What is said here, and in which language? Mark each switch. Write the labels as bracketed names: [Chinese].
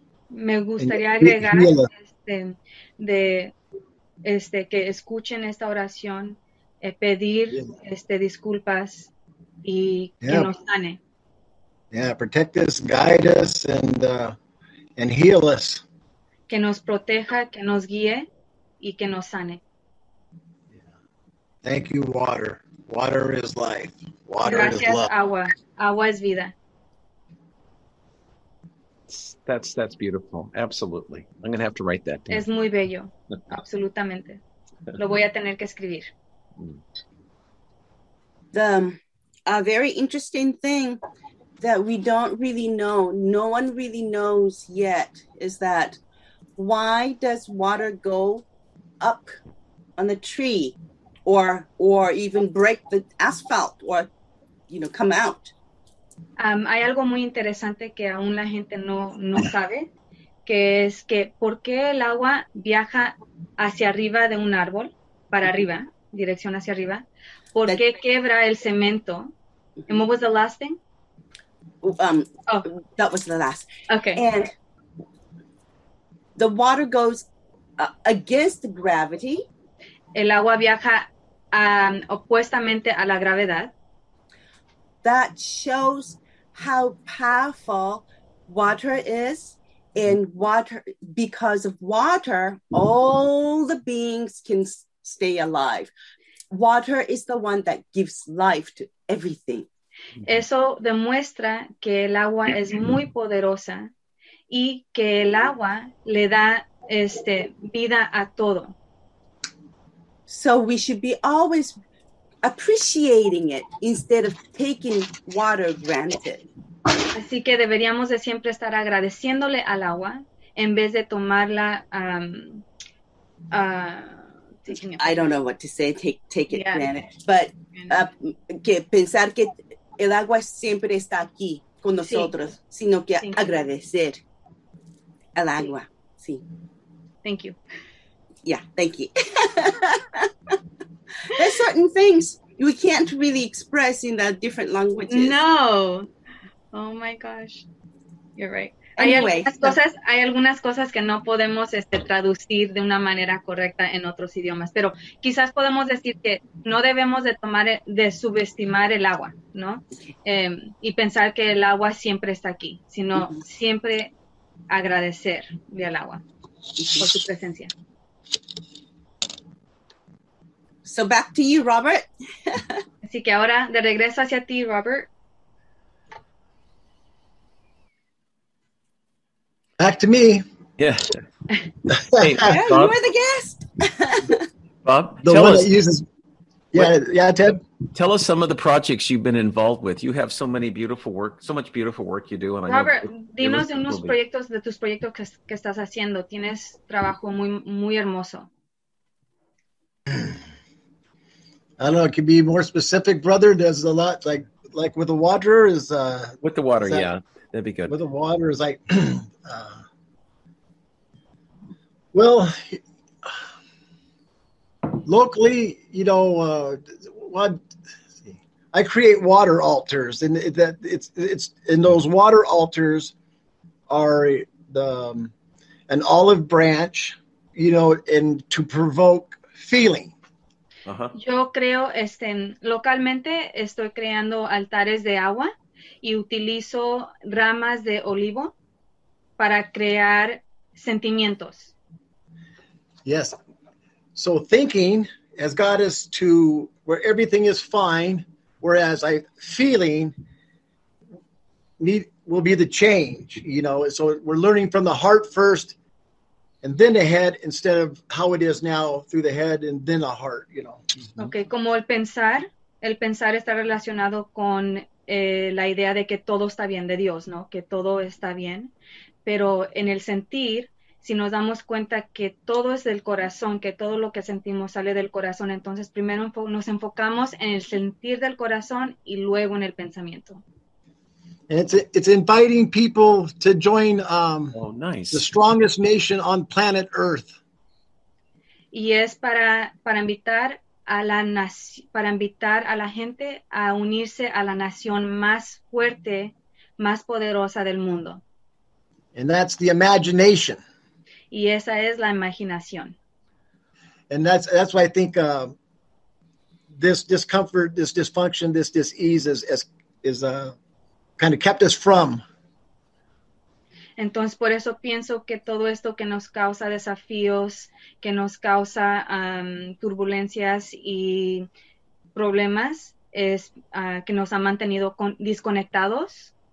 [Spanish] me gustaría agregar que escuchen esta oración, pedir disculpas y que nos sane. [English] Yeah, protect us, guide us, and heal us. [Spanish] Que nos proteja, que nos guíe, y que nos sane. [English] Thank you, water. Water is life. Water [Spanish] gracias, [English] is love. [Spanish] Agua. Agua es vida. [English] That's beautiful. Absolutely. I'm going to have to write that down. [Spanish] Es muy bello. Absolutamente. Lo voy a tener que escribir. [English] A very interesting thing that we don't really know, no one really knows yet, is that why does water go up on the tree or even break the asphalt or, you know, come out. [Spanish] Hay algo muy interesante que aún la gente no sabe, que es que por qué el agua viaja hacia arriba de un árbol, para arriba, dirección hacia arriba, por qué quebra el cemento. [English] And what was the last thing? That was the last. Okay. And the water goes against gravity. [Spanish] El agua viaja opuestamente a la gravedad. [English] That shows how powerful water is, and water, because of water, all the beings can stay alive. Water is the one that gives life to everything. [Spanish] Eso demuestra que el agua es muy poderosa y que el agua le da vida a todo. [English] So we should be always appreciating it instead of taking water granted. [Spanish] Así que deberíamos de siempre estar agradeciéndole al agua en vez de tomarla. [English] I don't know what to say. Take it granted, but [Spanish] que pensar que el agua siempre está aquí con nosotros, sí. Sino que sí. Agradecer al agua. Sí. [English] Thank you. Yeah, thank you. There's certain things we can't really express in the different languages. No. Oh my gosh. You're right. Anyway, [Spanish] hay algunas cosas que no podemos traducir de una manera correcta en otros idiomas, pero quizás podemos decir que no debemos de subestimar el agua, ¿no? Y pensar que el agua siempre está aquí, sino siempre agradecer al agua por su presencia. [English] So back to you, Robert. [Spanish] Así que ahora de regreso hacia ti, Robert. [English] Back to me. Yeah. Hey, you are the guest. Bob, Ted. Tell us some of the projects you've been involved with. You have so much beautiful work you do. And [Spanish] Robert, dinos de unos proyectos, de tus proyectos que estás haciendo. Tienes trabajo muy, muy hermoso. [English] I don't know, it could be more specific, brother. There's a lot, like with the water is... with the water, yeah. That'd be good. With the water is like... well, locally, you know, I create water altars, and that it's and those water altars are the an olive branch, you know, and to provoke feeling. Uh-huh. [Spanish] Yo creo localmente estoy creando altares de agua y utilizo ramas de olivo para crear sentimientos. [English] Yes. So thinking has got us to where everything is fine, whereas I feeling need will be the change, you know. So we're learning from the heart first and then the head instead of how it is now through the head and then the heart, you know. Mm-hmm. [Spanish] Okay, como el pensar está relacionado con la idea de que todo está bien de Dios, ¿no? Que todo está bien. Pero en el sentir, si nos damos cuenta que todo es del corazón, que todo lo que sentimos sale del corazón, entonces primero nos enfocamos en el sentir del corazón y luego en el pensamiento. [English] And it's inviting people to join nice. The strongest nation on planet Earth. [Spanish] Y es para invitar a la gente a unirse a la nación más fuerte, más poderosa del mundo. [English] And that's the imagination. [Spanish] Y esa es la imaginación. [English] And that's why I think this discomfort, this dysfunction, this dis-ease is kind of kept us from. [Spanish] Entonces, por eso pienso que todo esto que nos causa desafíos, que nos causa turbulencias y problemas, es que nos ha mantenido desconectados.